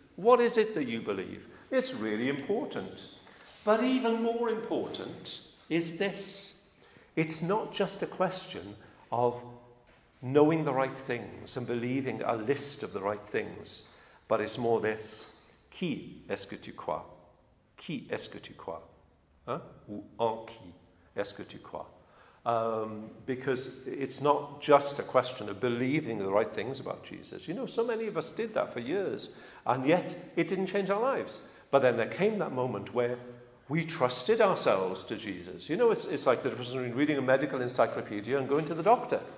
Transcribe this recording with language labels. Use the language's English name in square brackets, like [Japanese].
[English] What is it that you believe? It's really important. But even more important is this. It's not just a question of knowing the right things and believing a list of the right things, but it's more this. [French] Qui est-ce que tu crois? Qui est-ce que tu crois? Hein? Ou en qui est-ce que tu crois? [English] Because it's not just a question of believing the right things about Jesus. You know, so many of us did that for years, and yet it didn't change our lives. But then there came that moment where we trusted ourselves to Jesus. You know, it's like the difference between reading a medical encyclopedia and going to the doctor.